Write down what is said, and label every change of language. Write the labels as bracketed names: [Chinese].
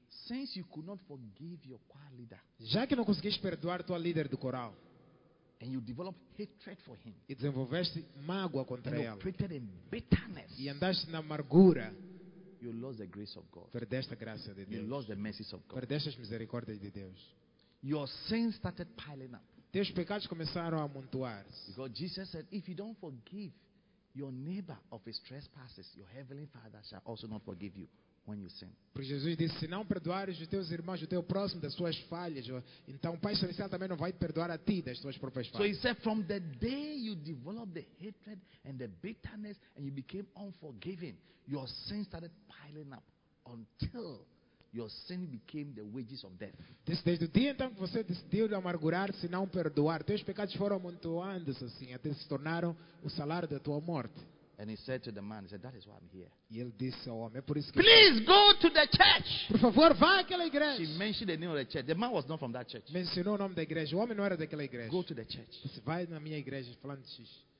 [English] since you could not forgive your choir leader, [Portuguese] já que não conseguiste perdoar tua líder do coral, [English] and you developed hatred for him, [Portuguese] e desenvolveste mágoa contra [English] and [Portuguese] ela, [English] you operated in bitterness, [Portuguese] e andaste na amargura, [English] you lost the grace of God. [Portuguese] Perdeste a graça de Deus. [English] You lost the mercies of God. [Portuguese] Perdeste as misericórdias de Deus. [English] Your sins started piling up. [Portuguese] Teus pecados começaram a amontoar-se. [English] Because Jesus said, if you don't forgive your neighbor of his trespasses, your heavenly Father shall also not forgive you when you sin. [Portuguese] Porque Jesus disse, se não perdoares os teus irmãos, o teu próximo das suas falhas, então o Pai Celestial também não vai perdoar a ti das tuas próprias falhas. [English] So he said, from the day you developed the hatred and the bitterness and you became unforgiving, your sins started piling up until your sin became the wages of death. [Portuguese] Desde o dia então que você decidiu amargurar-se e não perdoar, teus pecados foram amontoando-se assim, até se tornaram o salário da tua morte. [English] And he said to the man, he said, that is why I'm here. [Portuguese] E ele disse ao homem, é por isso que [English] please go to the church. [Portuguese] Por favor, vá àquela igreja. [English] She mentioned the name of the church. The man was not from that church. [Portuguese] Mencionou o nome da igreja. O homem não era daquela igreja. [English] Go to the church. [Portuguese] Disse, vai na minha igreja, falando de X.